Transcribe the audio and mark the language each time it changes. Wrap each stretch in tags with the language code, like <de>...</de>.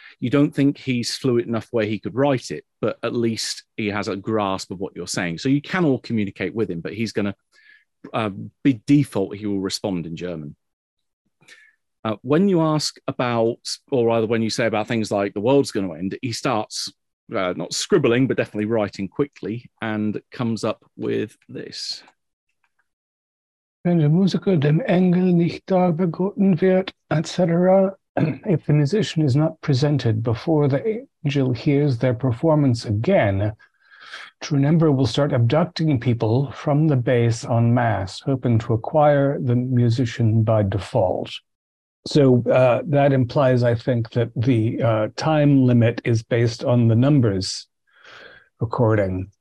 <en>You don't think he's fluent enough where he could write it, but at least he has a grasp of what you're saying. So you can all communicate with him, but he's going to be default. He will respond in German. When you ask about, or rather when you say about things like the world's going to end, he starts not scribbling, but definitely writing quickly and comes up with this.</en> <de>Wenn der Musiker dem Engel nicht dargeboten wird, etc.</de> <en>If the musician is not presented before the angel hears their performance again, Trunembra will start abducting people from the base en masse, hoping to acquire the musician by default. So that implies, I think, that the time limit is based on the numbers recording.</en>